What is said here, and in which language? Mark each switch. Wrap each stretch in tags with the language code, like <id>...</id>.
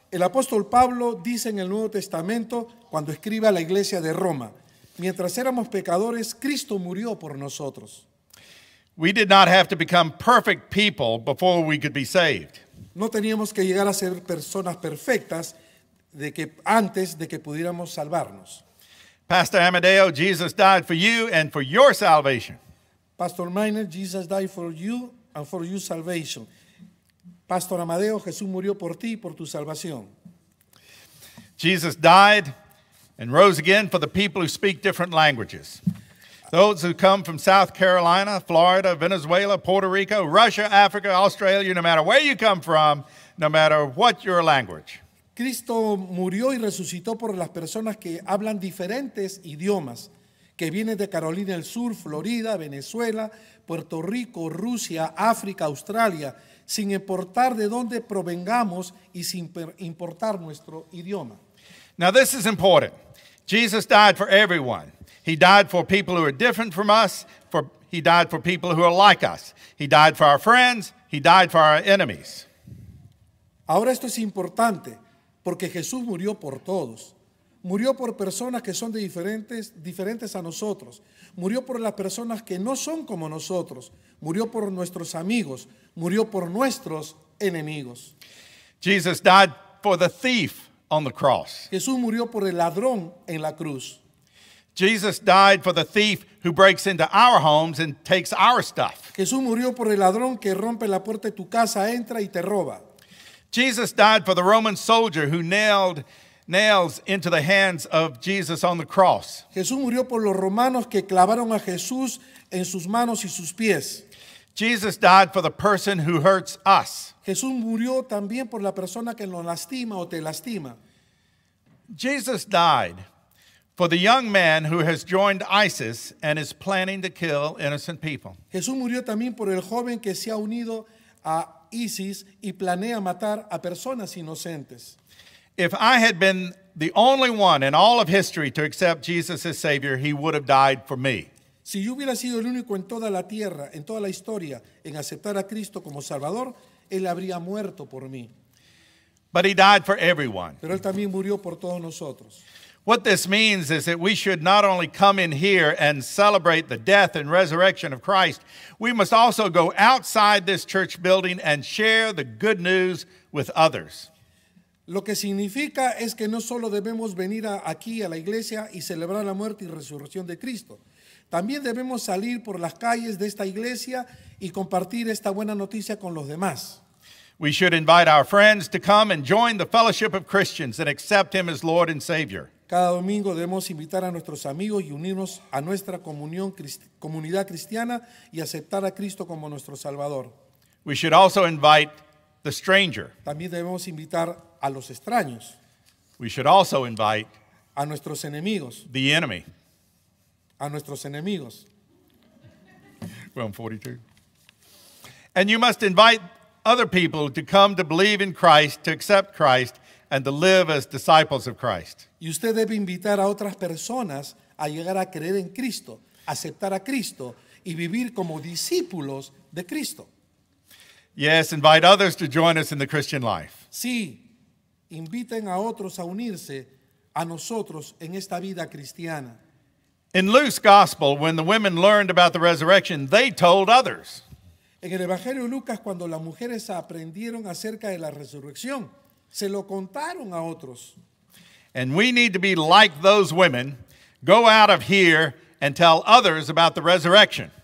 <es>El apóstol Pablo dice en el Nuevo Testamento, cuando escribe a la iglesia de Roma, "Mientras éramos pecadores, Cristo murió por nosotros."</es> <en>We did not have to become perfect people before we could be saved.</en> <es>No teníamos que llegar a ser personas perfectas antes de que pudiéramos salvarnos.</es> <en>Pastor Amadeo, Jesus died for you and for your salvation. Pastor Miner, Jesus died for you and for your salvation.</en> <es>Pastor Amadeo, Jesús murió por ti y por tu salvación.</es> <en>Jesus died and rose again for the people who speak different languages. Those who come from South Carolina, Florida, Venezuela, Puerto Rico, Russia, Africa, Australia, no matter where you come from, no matter what your language.</en> <es>Cristo murió y resucitó por las personas que hablan diferentes idiomas, que viene de Carolina del Sur, Florida, Venezuela, Puerto Rico, Rusia, África, Australia, sin importar de dónde provengamos y sin importar nuestro idioma.</es> <en>Now this is important. Jesus died for everyone. He died for people who are different from us, he died for people who are like us. He died for our friends, he died for our enemies.</en> <es>Ahora esto es importante porque Jesús murió por todos. Murió por personas que son de diferentes a nosotros. Murió por las personas que no son como nosotros. Murió por nuestros amigos. Murió por nuestros enemigos.</es> <en>Jesus died for the thief on the cross.</en> <es>Jesús murió por el ladrón en la cruz.</es> <en>Jesus died for the thief who breaks into our homes and takes our stuff.</en> <es>Jesús murió por el ladrón que rompe la puerta de tu casa, entra y te roba.</es> <en>Jesus died for the Roman soldier who nailed nails into the hands of Jesus on the cross.</en> <es>Jesús murió por los romanos que clavaron a Jesús en sus manos y sus pies.</es> <en>Jesus died for the person who hurts us.</en> <es>Jesús murió también por la persona que nos lastima o te lastima.</es> <en>Jesus died for the young man who has joined ISIS and is planning to kill innocent people.</en> <es>Jesús murió también por el joven que se ha unido a ISIS y planea matar a personas inocentes.</es> <en>If I had been the only one in all of history to accept Jesus as Savior, he would have died for me.</en> <es>Si yo hubiera sido el único en toda la tierra, en toda la historia, en aceptar a Cristo como Salvador, él habría muerto por mí.</es> <en>But he died for everyone.</en> <es>Pero él también murió por todos nosotros.</es> <en>What this means is that we should not only come in here and celebrate the death and resurrection of Christ, we must also go outside this church building and share the good news with others.</en> <es>Lo que significa es que no solo debemos venir aquí a la iglesia y celebrar la muerte y resurrección de Cristo. También debemos salir por las calles de esta iglesia y compartir esta buena noticia con los demás.</es> <en>We should invite our friends to come and join the fellowship of Christians and accept him as Lord and Savior.</en> <es>Cada domingo debemos invitar a nuestros amigos y unirnos a nuestra comunidad cristiana y aceptar a Cristo como nuestro Salvador.</es> <en>We should also invite the stranger.</en> <es>También debemos invitar a los extraños.</es> <en>We should also invite</en> <es>a nuestros enemigos.</es> <en>The enemy.</en> <es>A nuestros enemigos.</es> <en>Well, I'm 42. And you must invite other people to come to believe in Christ, to accept Christ, and to live as disciples of Christ.</en> <es>Y usted debe invitar a otras personas a llegar a creer en Cristo, aceptar a Cristo, y vivir como discípulos de Cristo.</es> <en>Yes, invite others to join us in the Christian life.</en> <es>Sí, inviten a otros a unirse a nosotros en esta vida cristiana.</es> <en>In Luke's gospel, when the women learned about the resurrection, they told others.</en> <es>En el Evangelio de Lucas, cuando las mujeres aprendieron acerca de la resurrección, se lo contaron a otros.</es> <en>And we need to be like those women, go out of here and tell others about the resurrection.</en>